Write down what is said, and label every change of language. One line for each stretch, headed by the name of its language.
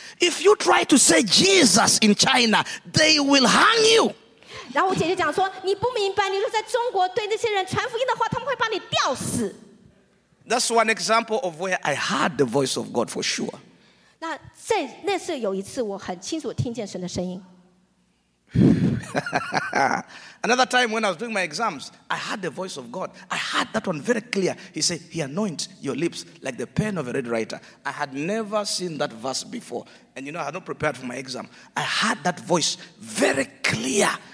English: If you try to say Jesus in China, they will hang you.
Chinese: 然后我姐姐讲说，你不明白，你若在中国对那些人传福音的话，他们会把你吊死。
English: That's one example of where I heard the voice of God for sure.
Chinese: 那在那次有一次，我很清楚听见神的声音。
English: Another time when I was doing my exams, I heard the voice of God. I heard that one very clear. He said, he anoints your lips like the pen of a red writer. I had never seen that verse before. And you know, I had not prepared for my exam. I heard that voice very clear.